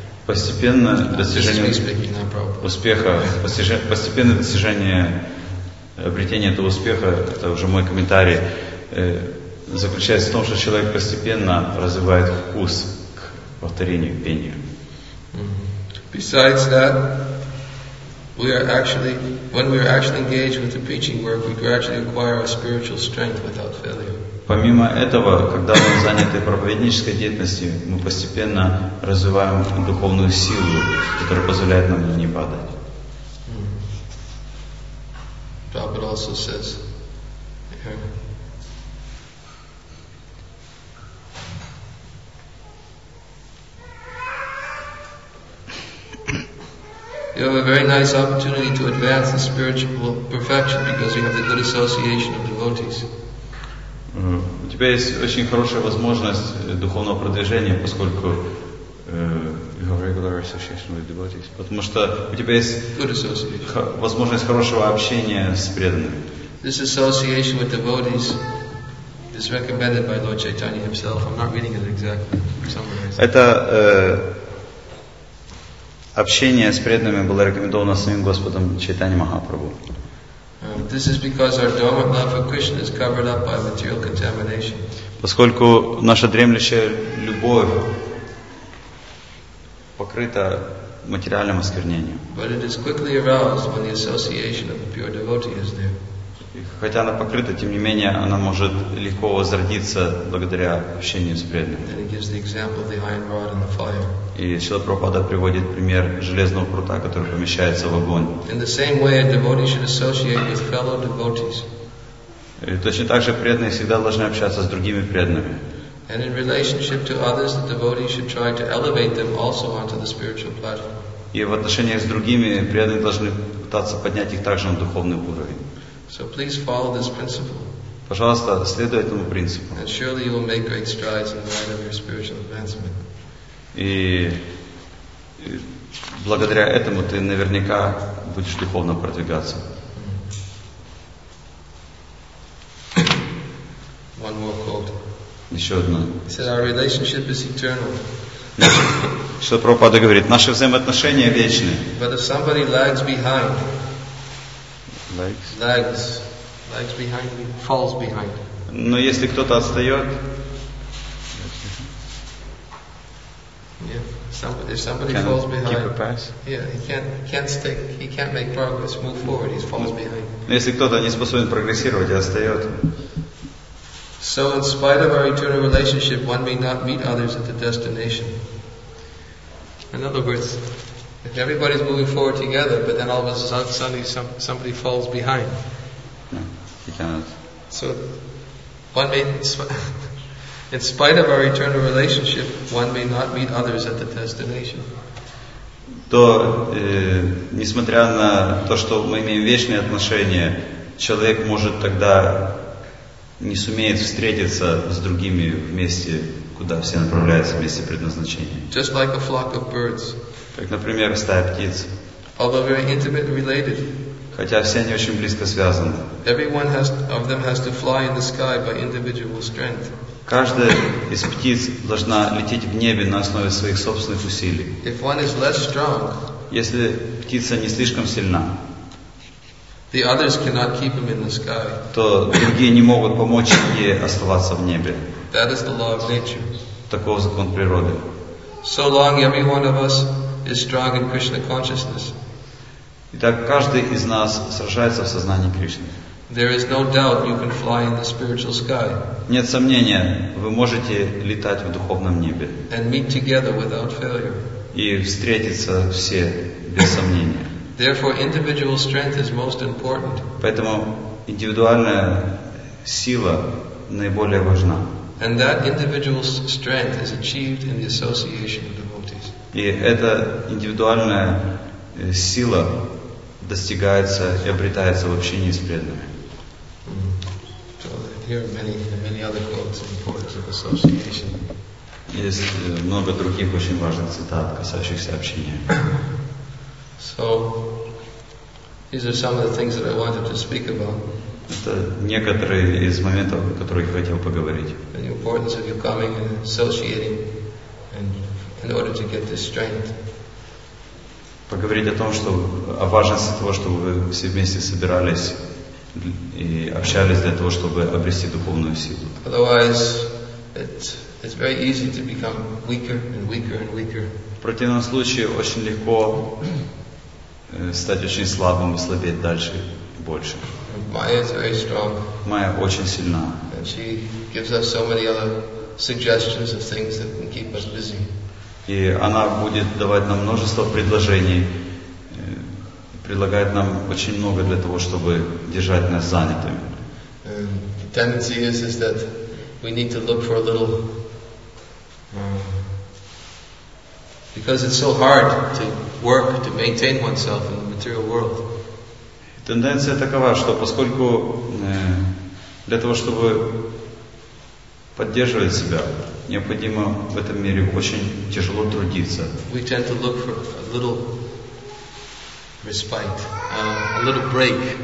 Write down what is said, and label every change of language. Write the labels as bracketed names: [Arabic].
[Russian] Постепенно достижение успеха, постепенное достижение обретения этого успеха, это уже мой комментарий, заключается в том, что человек постепенно развивает вкус к повторению, пению. [English] Besides that, when we are actually engaged with the preaching work, we gradually acquire our spiritual strength without failure. [Russian] Помимо этого, когда мы заняты проповеднической деятельностью, мы постепенно развиваем духовную силу, которая позволяет нам не падать. [English] Prabhupada also says, you have a very nice opportunity to advance in spiritual perfection because you have the good association of devotees. [Russian] У тебя есть очень хорошая возможность духовного продвижения, поскольку [English] you have regular association with devotees, [Russian] потому что у тебя есть возможность хорошего общения с преданными. [English] This association with devotees is recommended by Lord Chaitanya himself. I'm not reading it exactly. [Russian] Это общение с преданными было рекомендовано самим Господом Чайтани Махапрабху. [English] This is because our dormant love for Krishna is covered up by material contamination. [Russian] Поскольку наша дремлющая любовь покрыта материальным осквернением. [English] But it is quickly aroused when the association of a pure devotee is there. [Russian] Хотя она покрыта, тем не менее, она может легко возродиться благодаря общению с преданным. [English] And it gives the example of the iron rod and the fire. [Russian] И Шрила Прабхупада приводит пример железного прута, который помещается в огонь. [English] In the same way, a devotee should associate with fellow devotees. [Russian] И точно так же преданные всегда должны общаться с другими преданными. [English] And in relationship to others, the devotee should try to elevate them also onto the spiritual platform. [Russian] И в отношениях с другими преданные должны пытаться поднять их также на духовный уровень. [English] So please follow this principle. [Russian] Пожалуйста, следуй этому принципу. [English] And surely you will make great strides in the light of your spiritual advancement. [Russian] И благодаря этому ты наверняка будешь духовно продвигаться. [English] One more quote. [Russian] Еще одно. [English] He said, our relationship is eternal. [Russian] Что Прабхупада говорит? Наши взаимоотношения вечны. [English] But if somebody lags behind. Legs. Legs behind me, falls behind. [Russian] Но если кто-то отстает, [English] somebody can't falls behind. Keep a pass. He can't make progress, move forward, he falls behind. [Russian] Если кто-то не способен прогрессировать, остается. [English] So in spite of our eternal relationship, one may not meet others at the destination. In other words, if everybody's moving forward together, but then all of a sudden somebody falls behind. He cannot. So one may, in spite of our eternal relationship, one may not meet others at the destination. [Russian] То, несмотря на то, что мы имеем вечные отношения, человек может тогда не сумеет встретиться с другими вместе, куда все направляются, вместе предназначения. [English] Just like a flock of birds. [Russian] Как, например, стая птиц. [English] Although very intimately related. [Russian] Хотя все они очень близко связаны. [English] Everyone has, of them has to fly in the sky by individual strength. [Russian] Каждая из птиц должна лететь в небе на основе своих собственных усилий. [English] If one is less strong, [Russian] если птица не слишком сильна, [English] the others cannot keep him in the sky. [Russian] То другие не могут помочь ей оставаться в небе. [English] That is the law of nature. [Russian] Таков закон природы. [English] So long every one of us is strong in Krishna consciousness. [Russian] Итак, каждый из нас сражается в сознании Кришны. [English] There is no doubt you can fly in the spiritual sky. [Russian] Нет сомнения, вы можете летать в духовном небе. [English] And meet together without failure. [Russian] И встретиться все без сомнения. [English] Therefore, individual strength is most important. [Russian] Поэтому индивидуальная сила наиболее важна. [English] And that individual strength is achieved in the association of devotees. [Russian] И эта индивидуальная сила достигается и обретается в общении с преданными. [English] So here are many, many other quotes in quotes of association. [Russian] Есть много других очень важных цитат, касающихся общения. [English] So these are some of the things that I wanted to speak about. [Russian] Это некоторые из моментов, о которых я хотел поговорить. [English] The importance of you coming and associating and in order to get this strength. [Russian] Поговорить о том, что о важности того, чтобы вы все вместе собирались и общались для того, чтобы обрести духовную силу. [English] Otherwise, it's very easy to become weaker and weaker and weaker. [Russian] В противном случае очень легко стать очень слабым и слабеть дальше и больше. [English] Майя is very strong. [Russian] Майя очень сильна. [English] And she gives us so many other suggestions of things that can keep us busy. [Russian] И она будет давать нам множество предложений, предлагает нам очень много для того, чтобы держать нас занятыми. [English] The tendency is that we need to look for a little, because it's so hard to work to maintain oneself in the material world. [Russian] Тенденция такова, что поскольку для того, чтобы поддерживать себя, необходимо в этом мире очень тяжело трудиться. [English] We tend to look for a little respite, a little break.